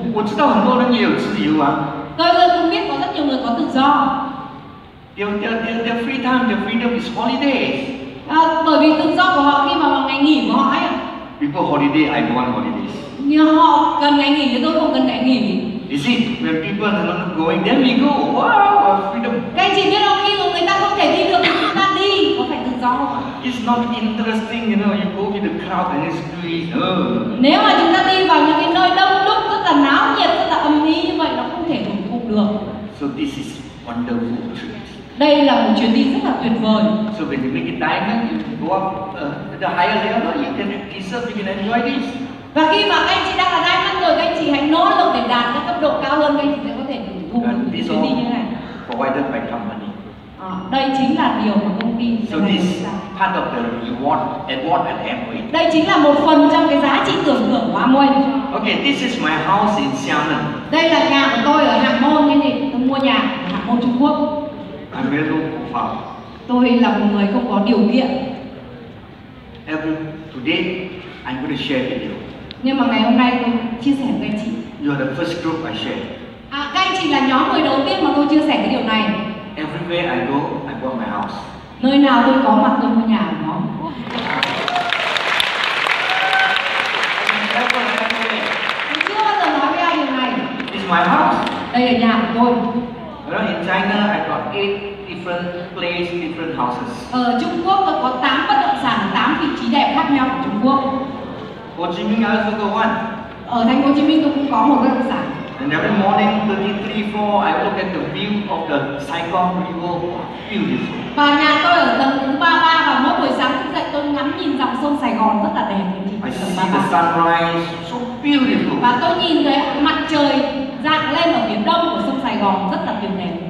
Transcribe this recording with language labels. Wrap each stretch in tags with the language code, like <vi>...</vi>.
<vi>Tôi biết rất nhiều người có tự do. Tôi cũng biết có rất nhiều người có tự do.</vi> <en>Their free time, their freedom is holidays.</en> <vi>Bởi vì tự do của họ khi mà ngày nghỉ của họ ấy.</vi> <en>People holiday, I want holidays.</en> <vi>Nhưng họ cần ngày nghỉ, chứ tôi không cần ngày nghỉ.</vi> <en>You see, when people are not going, then we go, wow, freedom.</en> <vi>Các anh chị biết không, khi mà người ta không thể đi được, chúng ta đi, có phải tự do không?</vi> <en>It's not interesting, you know, you go with the crowd and it's great.</en> <vi>Nếu mà chúng ta đi vào những cái nơi đông đúc, rất là náo nhiệt, rất là ầm ĩ như vậy, nó không thể hưởng thụ được.</vi> <en>So this is wonderful trip.</en> <vi>Đây là một chuyến đi rất là tuyệt vời.</vi> <en>So when you make a diamond, you go up the higher level, you can deserve, you can enjoy this.</en> <vi>Và khi mà anh chị đang là diamond rồi, anh chị hãy nỗ lực để đạt các cấp độ cao hơn, anh chị sẽ có thể thu hút những chuyến đi như này.</vi> <en>Provided by company.</en> <vi>Đây chính là điều mà công ty.</vi> <en>So this part of the reward, award at Amway.</en> <vi>Đây chính là một phần trong cái giá trị tưởng thưởng của Amway.</vi> <en>Okay, this is my house in Xiamen.</en> <vi>Đây là nhà của tôi ở Hà Môn, anh chị. Tôi mua nhà ở Hà Môn, Trung Quốc.</vi> <en>I'm very low profile.</en> <vi>Tôi là một người không có điều kiện.</vi> <en>Today, I'm going to share with you.</en> <vi>Nhưng mà ngày hôm nay tôi chia sẻ với anh chị.</vi> <en>You're the first group I share.</en> <vi>Các anh chị là nhóm người đầu tiên mà tôi chia sẻ cái điều này.</vi> <en>Everywhere I go, I bought my house.</en> <vi>Nơi nào tôi có mặt tôi mua nhà của nó. Tôi chưa bao giờ nói với ai điều này.</vi> <en>It's my house.</en> <vi>Đây là nhà của tôi.</vi> <en>In China, I got 8 different place, different houses.</en> <vi>Ở Trung Quốc tôi có 8 bất động sản, 8 vị trí đẹp khác nhau của Trung Quốc.</vi> <en>Hồ Chí Minh, I also got one.</en> <vi>Ở thành phố Hồ Chí Minh tôi cũng có một bất động sản.</vi> <en>And every morning, 33-4, I look at the view of the Saigon River. Beautiful.</en> <vi>Và nhà tôi ở tầng 33 và mỗi buổi sáng dậy tôi ngắm nhìn dòng sông Sài Gòn rất là đẹp.</vi> <en>I see the sunrise, so beautiful.</en> <vi>Và tôi nhìn thấy mặt trời rạng lên ở phía đông của sông Sài Gòn rất là tuyệt đẹp.</vi>